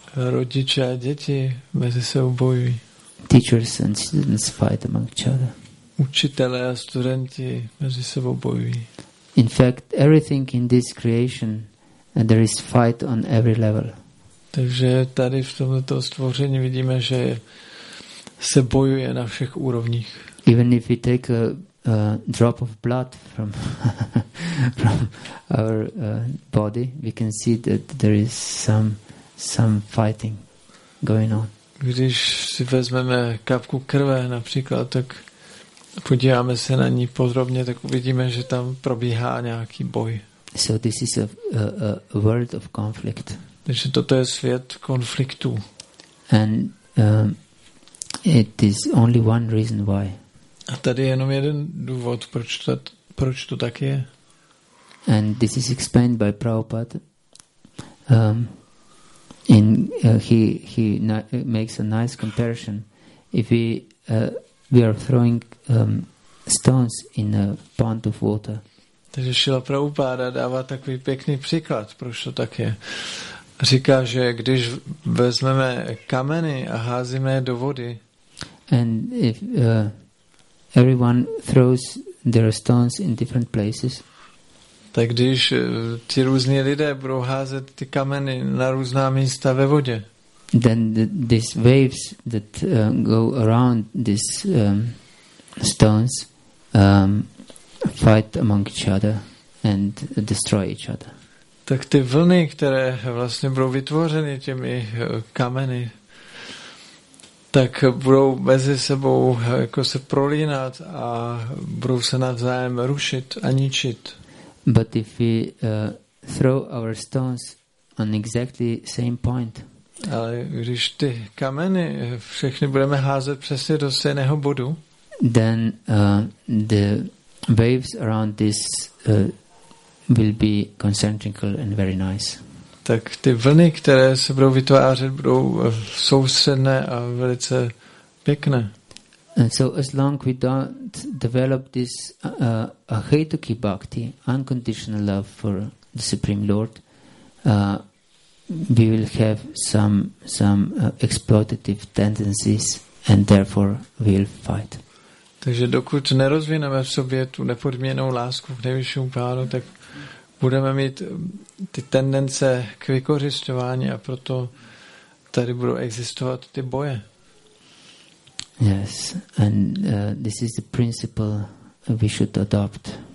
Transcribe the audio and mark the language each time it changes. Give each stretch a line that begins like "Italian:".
Czech: Rodiče a děti mezi sebou bojují.
English: Teachers and students fight among each other.
Czech: Učitelé a studenti mezi sebou bojují.
English: In fact, everything in this creation, there is fight on every level.
Czech: Takže tady v tomto stvoření vidíme, že se bojuje na všech úrovních.
English: Even if we take a drop of blood from from our body, we can see that there is some fighting going on.
Czech: Když si vezmeme kapku krve, například, tak podíváme se na ní podrobně, tak uvidíme, že tam probíhá nějaký boj.
English: So this is a world of conflict.
Czech: Takže toto je svět konfliktů.
English: And it is only one reason why.
Czech: A tady je jenom jeden důvod, proč to tak je.
English: And this is explained by Prabhupada. In he makes a nice comparison. If we are throwing stones in a pond of water.
Czech: Takže Šila Prabhupada dává takový pěkný příklad, proč to tak je. Říká, že když vezmeme kameny a házíme je do vody.
English: And if everyone throws their stones in different places.
Czech: Tak když ti různí lidé budou házet ty kameny na různá místa ve vodě.
English: Then these waves that go around these stones fight among each other and destroy each other.
Czech: Tak ty vlny, které vlastně budou vytvořeny těmi kameny, tak budou mezi sebou jako se prolínat a budou se navzájem rušit a ničit.
English: But if we throw our stones on exactly same point.
Czech: Ale když ty kameny všechny budeme házet přesně do stejného bodu,
English: then the waves around this will be concentric and very nice.
Czech: Tak ty vlny, které se budou vytvářet, budou soustředné a velice pěkné.
English: And so as long we don't develop this ahetuki bhakti, unconditional love for the Supreme Lord, we will have some exploitative tendencies and therefore we'll fight.
Czech: Takže dokud nerozvineme v sobě tu nepodmíněnou lásku k nejvyššímu pánu, tak budeme mít ty tendence k vykořisťování a proto tady budou existovat ty boje.
English: Yes, and this is the principle we should adopt.